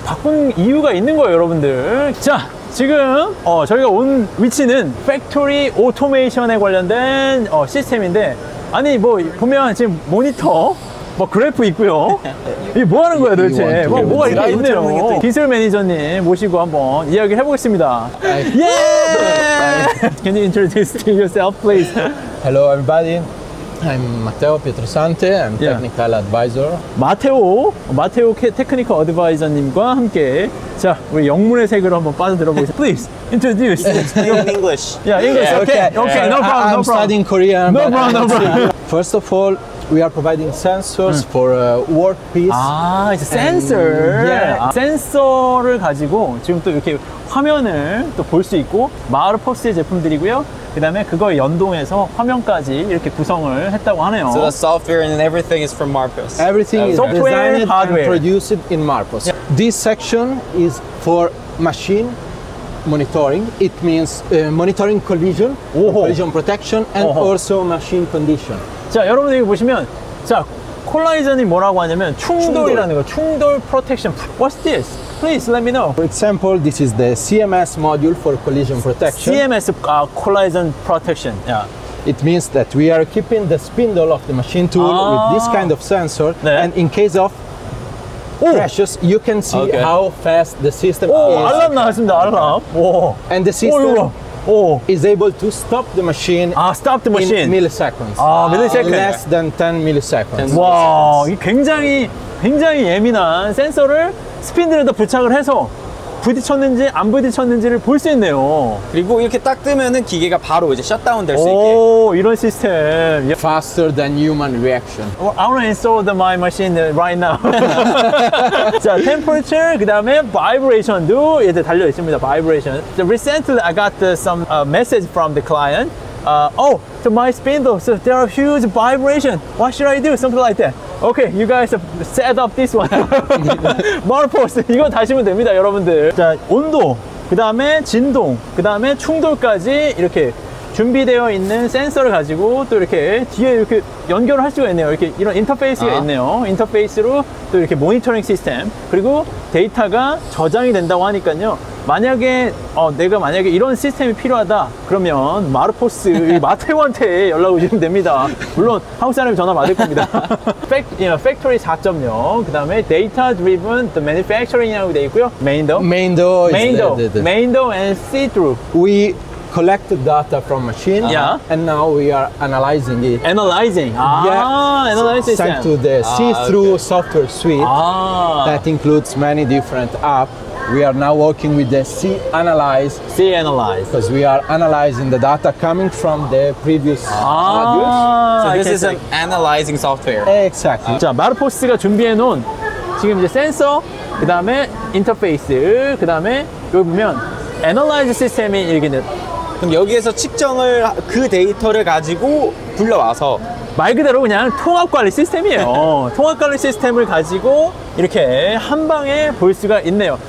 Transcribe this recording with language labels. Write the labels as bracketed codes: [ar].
[ko] 바꾼 이유가 있는 거예요, 여러분들. 자. 지금 저희가 온 위치는 팩토리 오토메이션에 관련된 시스템인데 아니 뭐 보면 지금 모니터 뭐 그래프 있고요. 이게 뭐 하는 거야 도대체? 뭐 뭐가 이렇게 있네요. 기술 매니저님 모시고 한번 이야기를 해보겠습니다. 예! Yeah! [en] Can you introduce yourself, please? Hello, everybody. I'm Matteo Pietrosante. I'm technical advisor. [ko] 마테오 테크니컬 어드바이저님과 함께 자 우리 영문의 세계로 한번 빠져들어보겠습니다. [en] Please introduce. English. Yeah, English. Yeah, okay. Okay. Yeah. No problem. I'm studying Korean. No problem. First of all, we are providing sensors for workpiece. It's a sensor. Yeah. [ko] 센서를 가지고 지금 또 이렇게 화면을 또 볼 수 있고 마르포스의 제품들이고요. 그 다음에 그거에 연동해서 화면까지 이렇게 구성을 했다고 하네요. [en] So the software and everything is from Marpos. Everything is designed and produced in Marpos. Yeah. This section is for machine monitoring. It means monitoring collision, collision protection and also machine condition. [ko] 자, 여러분 여기 보시면 자, 콜라이저님 뭐라고 하냐면 충돌이라는 거, 충돌 프로텍션. [en] What's this? Please let me know. For example, this is the CMS module for collision protection. CMS, collision protection. Yeah. It means that we are keeping the spindle of the machine tool with this kind of sensor. 네. And in case of crashes, you can see how fast the system is. 알람 나왔습니다, 알람. And the system is able to stop the machine, stop the machine. In milliseconds. Milliseconds. Less than 10 milliseconds. [ko] Wow, 굉장히 예민한 센서를 스핀들에다 부착을 해서 부딪혔는지 안 부딪혔는지를 볼 수 있네요. 그리고 이렇게 딱 뜨면은 기계가 바로 이제 셧다운 될 수 있게. 이런 시스템. [en] Faster than human reaction. I want to install the my machine right now. [ko] 자, temperature 그다음에 vibration도 이제 달려 있습니다. [en] Vibration. So recently I got some message from the client. To my spindle, so there are huge vibration. What should I do? Something like that. Okay, you guys set up this one. [ko] Marpos, 이거 다시면 됩니다, 여러분들. 자, 온도, 그 다음에 진동, 그 다음에 충돌까지 이렇게 준비되어 있는 센서를 가지고 또 이렇게 뒤에 이렇게 연결을 할 수가 있네요. 이렇게 이런 인터페이스가 있네요. 인터페이스로 또 이렇게 모니터링 시스템, 그리고 데이터가 저장이 된다고 하니까요. 만약에 내가 만약에 이런 시스템이 필요하다 그러면 마르포스 마테오한테 연락 오시면 됩니다. 물론 한국 사람이 전화 받을 겁니다. 팩토리 4.0 그다음에 데이터 드리븐 더 매니팩처링이라고 돼 있고요. 메인도 메인도 [en] 메인도 앤 시 트루 we collect the data from machine, yeah, and now we are analyzing it. Analyzing? Ah, yes. Analyzing. Thanks to the see-through software suite that includes many different apps. We are now working with the C-Analyze. C-Analyze. Because we are analyzing the data coming from the previous modules. So this is an analyzing software. Exactly. [ko] 자, 마르포스가 준비해놓은 지금 이제 센서, 그 다음에 인터페이스, 그 다음에 여기 보면 Analyze 시스템이 이렇게는. 그럼 여기에서 측정을, 그 데이터를 가지고 불러와서 말 그대로 그냥 통합관리 시스템이에요. 통합관리 시스템을 가지고 이렇게 한 방에 볼 수가 있네요.